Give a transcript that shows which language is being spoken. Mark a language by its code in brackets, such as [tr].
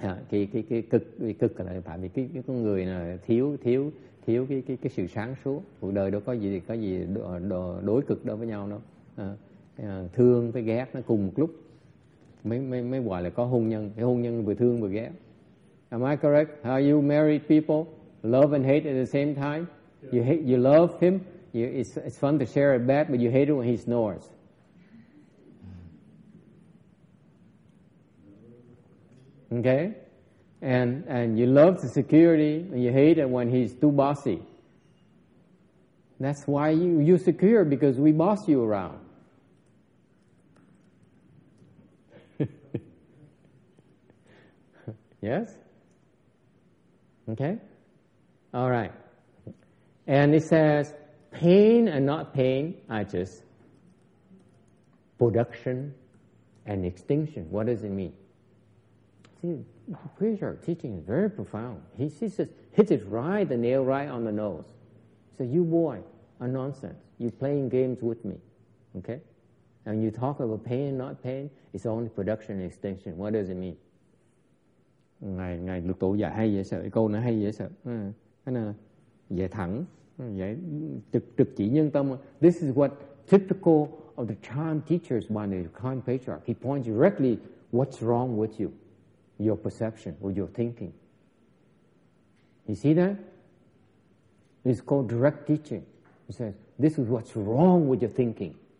[vi] Cái cực là tại vì cái con người là thiếu cái sự sáng suốt. Cuộc đời đâu có gì đối cực đối với nhau đâu. Thương với ghét nó cùng một lúc, mới gọi là có hôn nhân. Cái hôn nhân vừa thương vừa ghét. [en] Am I correct? How you married people, love and hate at the same time? Yeah. You hate, you love him. It's fun to share a bed, but you hate it when he snores. Okay, and you love the security, and you hate it when he's too bossy. That's why you're secure, because we boss you around. Yes? Okay? All right. And it says, pain and not pain are just production and extinction. What does it mean? See, the preacher teaching is very profound. He just hits it right, the nail right on the nose. So you boy are nonsense. You're playing games with me. Okay? And when you talk about pain and not pain, it's only production and extinction. What does it mean? [vi] Ngài ngài lục tổ dạy hay dễ sợ, cái câu nó hay dễ sợ, cái nào dễ thẳng, dễ trực trực chỉ nhân tâm. [en] This is what typical of the Chan teachers by the Chan patriarch. He points directly what's wrong with you, your perception or your thinking. You see that? It's called direct teaching. He says this is what's wrong with your thinking.